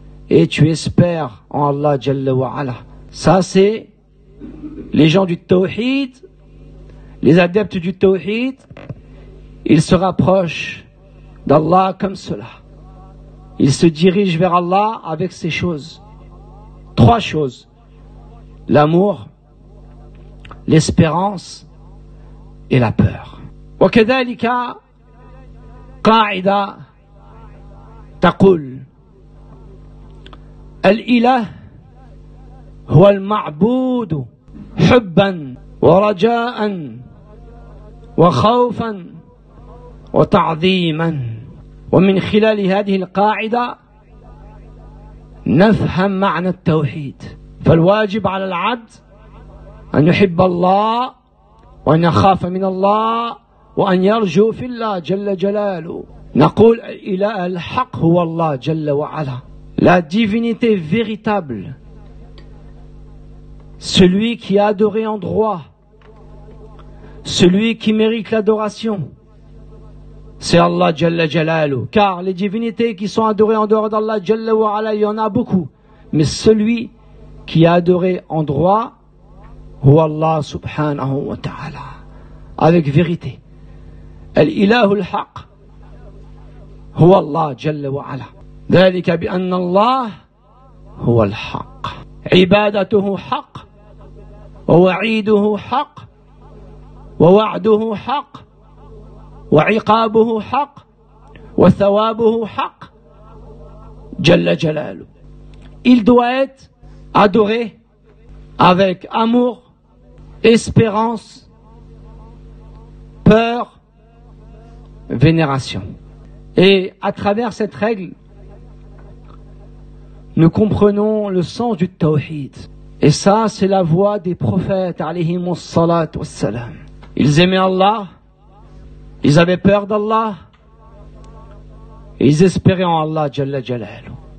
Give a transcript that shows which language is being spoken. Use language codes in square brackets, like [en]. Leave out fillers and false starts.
[fr] Et tu espères en Allah Jalla wa Ala. Ça, c'est les gens du Tawhid, les adeptes du Tawhid, ils se rapprochent d'Allah comme cela. Ils se dirigent vers Allah avec ces choses. Trois choses. L'amour, l'espérance et la peur. [ar] Wa kadhalika قاعدة تقول الإله هو المعبود حبا ورجاء وخوفا وتعظيما ومن خلال هذه القاعدة نفهم معنى التوحيد فالواجب على العبد أن يحب الله وأن يخاف من الله وأن يرجو في الله جل جلاله. نقول إله الحق هو الله جل وعلا. [fr] La divinité véritable celui qui est adoré en droit, celui qui mérite l'adoration, c'est Allah Jalla Jalalu. Car les divinités qui sont adorées en dehors d'Allah Jalla wa Ala, il y en a beaucoup. Mais celui qui est adoré en droit, ou Allah Subhanahu wa Ta'ala, avec vérité. [ar] الإله الحق هو الله جل وعلا ذلك بأن الله هو الحق عبادته حق ووعيده حق ووعده حق وعقابه حق وثوابه حق [fr] جل جلاله il doit être adoré avec amour, espérance, peur, vénération. Et à travers cette règle, nous comprenons le sens du tawhid. Et ça, c'est la voix des prophètes, alayhim salat wa salam. Ils aimaient Allah, ils avaient peur d'Allah, et ils espéraient en Allah, jalla jalalu.